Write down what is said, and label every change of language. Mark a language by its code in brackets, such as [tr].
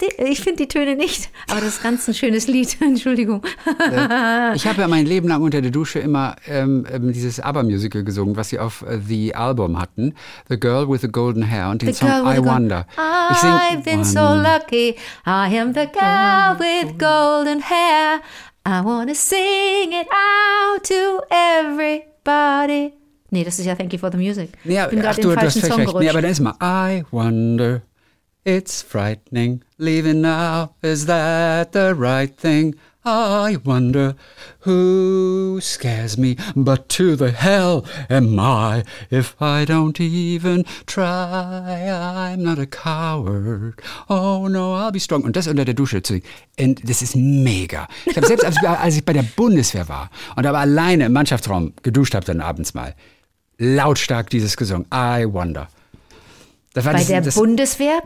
[de] Ich finde die Töne nicht, aber das ist ganz ein schönes Lied, Entschuldigung. Ich habe ja mein Leben lang unter der Dusche immer dieses ABBA-Musical gesungen, was sie auf The Album hatten. The Girl with the Golden Hair und den Song I Wonder. [en] I've been so lucky, I am the girl with golden hair. I wanna sing it out to everybody. [de] Nee, das ist ja Thank You for the Music. Ja, ich bin gerade den falschen Song gerutscht. Nee, aber dann ist mal [en] I wonder, it's frightening, leaving now, is that the right thing? I wonder who scares me, but to the hell am I if I don't even try? I'm not a coward. Oh no, I'll be strong. [de] Und das unter der Dusche zu singen. Und das ist mega. Ich habe selbst, als ich bei der Bundeswehr war und aber alleine im Mannschaftsraum geduscht habe dann abends mal, lautstark dieses gesungen. [en] I wonder. [de] Das war bei das, der das, Bundeswehr?